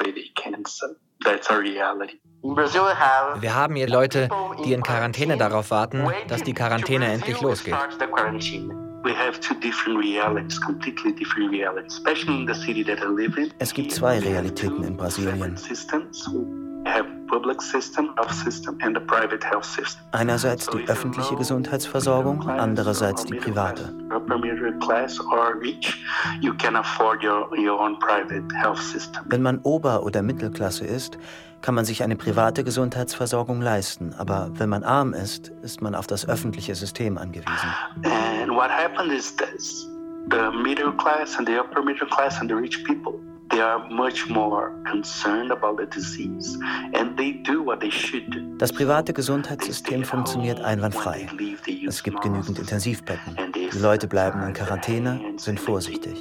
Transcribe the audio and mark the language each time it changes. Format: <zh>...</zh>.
<de>Wir haben hier Leute, die in Quarantäne darauf warten, dass die Quarantäne endlich losgeht.</de> <en>We have two different realities, completely different realities, especially in the city that I live in.</en> <de>Es gibt zwei Realitäten in Brasilien.</de> <en>We have public system, health system and the private health system.</en> <de>Einerseits die öffentliche Gesundheitsversorgung, andererseits die private. Wenn man Ober- oder Mittelklasse ist, kann man sich eine private Gesundheitsversorgung leisten. Aber wenn man arm ist, ist man auf das öffentliche System angewiesen.</de> <en>And what happened is this. The middle class and the upper middle class and the rich people, they are much more concerned about the disease and they do what they should do.</en> <de>Das private Gesundheitssystem funktioniert einwandfrei. Es gibt genügend Intensivbetten. Die Leute bleiben in Quarantäne, sind vorsichtig.</de>